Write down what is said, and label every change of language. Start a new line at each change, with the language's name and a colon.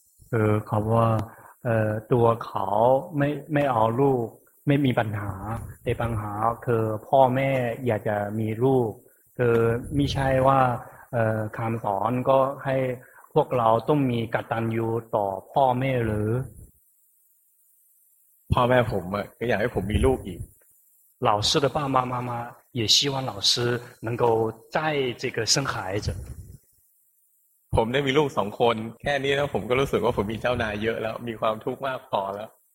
Thai: ขอบว่าตัวเขาไม่เอาลูกไม่มีปัญหาแต่ปัญหาคือพ่อแม่อยากจะมีลูกคือไม่ใช่ว่าคำสอนก็ให้พวกเราต้องมีกตัญญูต่อพ่อแม่หรือ พ่อแม่ผมก็อยากให้ผมมีลูกอีก
Chinese: 老师的爸爸妈妈也希望老师能够再这个生孩子
Thai: ผมได้มีลูกสองคนแค่นี้นะผมก็รู้สึกว่าผมมีเจ้านายเยอะแล้วมีความทุกข์มากพอแล้ว